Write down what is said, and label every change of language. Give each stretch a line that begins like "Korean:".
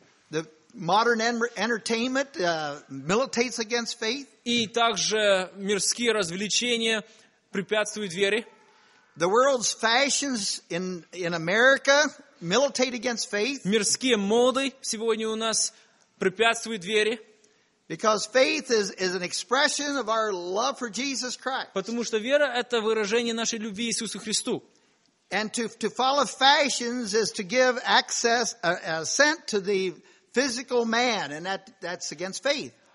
English: The modern entertainment militates against faith.
Russian: И также мирские развлечения препятствуют вере.
English: The world's fashions in America militate against faith.
Russian: Мирские моды сегодня у нас препятствуют вере.
English: Because faith is an expression of our love for Jesus Christ.
Russian: Потому что вера – это выражение нашей любви Иисусу Христу.
English: And to follow fashions is to give access, assent to the physical man, and that's against faith.